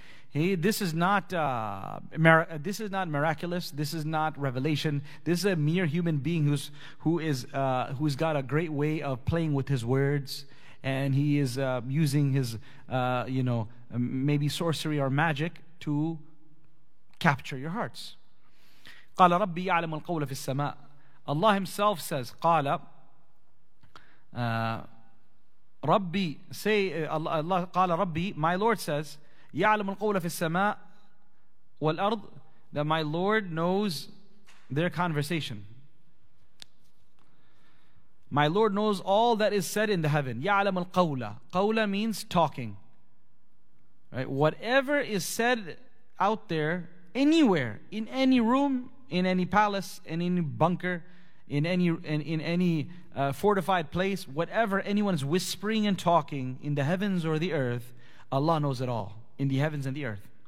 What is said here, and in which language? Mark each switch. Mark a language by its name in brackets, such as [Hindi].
[English] Hey, this is not miraculous. This is not revelation. This is a mere human being who's got a great way of playing with his words. And he is using his, maybe sorcery or magic to capture your hearts. [Arabic] قَالَ رَبِّي يَعْلَمُ الْقَوْلَ فِي السَّمَاءِ [English] Allah Himself says, [Arabic] قَالَ رَبِّي [English] Say, Allah [Arabic] قَالَ رَبِّي [English] My Lord says, [Arabic] يَعْلَمُ الْقَوْلَ فِي السَّمَاءِ وَالْأَرْضِ [English] That my Lord knows their conversation. My Lord knows all that is said in the heaven. [Arabic] يَعْلَمُ الْقَوْلَ [English] قَوْلَ means talking. Right? Whatever is said out there, anywhere, in any room, in any palace, in any bunker, in any fortified place, whatever anyone is whispering and talking in the heavens or the earth, Allah knows it all, in the heavens and the earth.